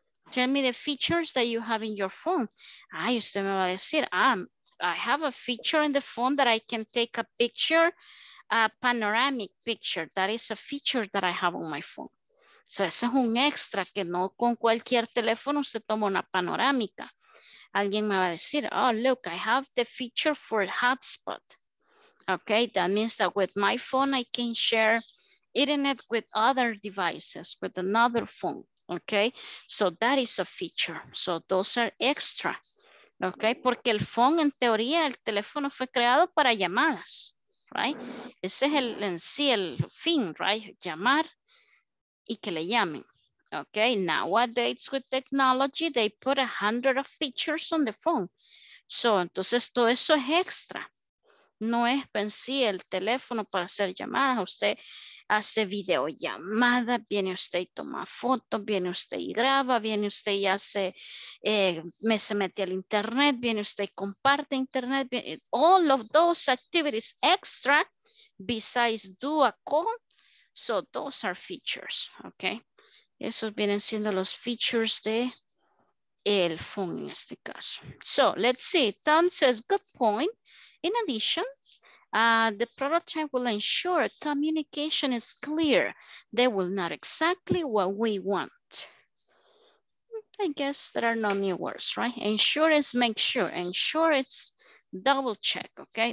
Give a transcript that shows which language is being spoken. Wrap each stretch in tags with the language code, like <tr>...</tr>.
<en>Tell me the features that you have in your phone.</en> <es>Ay, usted me va a decir,</es> <en>I have a feature in the phone that I can take a picture a panoramic picture. That is a feature that I have on my phone.</en> <es>So ese es un extra que no con cualquier teléfono se toma una panorámica. Alguien me va a decir,</es> <en>oh, look, I have the feature for hotspot. Okay, that means that with my phone, I can share internet with other devices, with another phone. Okay, so that is a feature. So those are extra.</en> <es>Okay, porque el phone, en teoría, el teléfono fue creado para llamadas.</es> <en>Right?</en> <es>Ese es el, en sí el fin,</es> <en>right?</en> <es>Llamar y que le llamen.</es> <en>Okay, nowadays with technology, they put 100 of features on the phone.</en> <es>So, entonces todo eso es extra. No es en sí el teléfono para hacer llamadas. Usted hace videollamada, viene usted y toma fotos, viene usted y graba, viene usted y hace, se mete al internet, viene usted y comparte internet.</es> <en>Viene, all of those activities extra besides do a call. So, those are features, okay?</en> <es>Esos vienen siendo los features de el phone en este caso.</es> <en>So, let's see. Tom says, good point. In addition, the prototype will ensure communication is clear. They will know exactly what we want. I guess there are no new words, right? Ensure is make sure. Ensure it's double check, okay?</en>